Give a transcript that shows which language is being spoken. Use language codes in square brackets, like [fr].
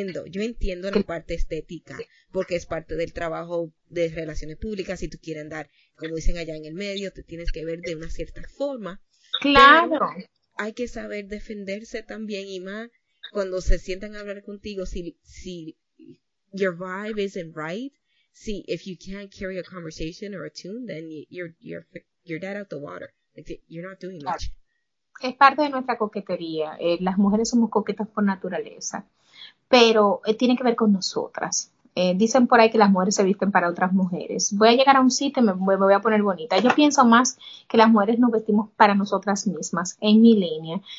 [es] Yo entiendo la parte estética porque es parte del trabajo de relaciones públicas. Si tú quieres andar, como dicen allá en el medio, te tienes que ver de una cierta forma. Pero Claro. hay que saber defenderse también y más cuando se sientan a hablar contigo. [en] Si your vibe isn't right. See, if you can't carry a conversation or a tune, then you're dead out the water. Like, you're not doing much. [es] Es parte de nuestra coquetería. Las mujeres somos coquetas por naturaleza, pero tiene que ver con nosotras. Dicen por ahí que las mujeres se visten para otras mujeres. Voy a llegar a un sitio y me voy a poner bonita. Yo pienso más que las mujeres nos vestimos para nosotras mismas, en mi línea.